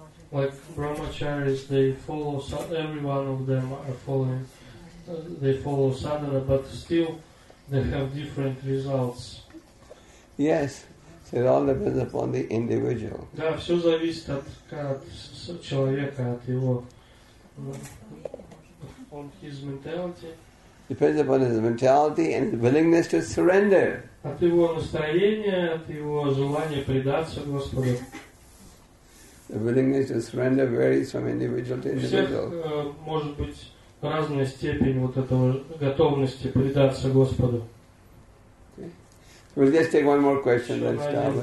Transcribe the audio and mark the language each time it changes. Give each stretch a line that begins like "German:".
English: Some, like brahmacharis, they follow, every one of them are following, they follow sadhana, but still they have different results. Yes, so it all depends upon the individual.
Russian: Да, все зависит от человека, от его, on his mentality.
English: Depends upon his mentality and his willingness to surrender.
Russian: От его настроения, от его желания предаться Господу.
English: The willingness to surrender varies from individual to individual.
Russian: Всех, может быть разная степень вот этого готовности предаться Господу.
English: Okay. We'll just take one more question, then stop.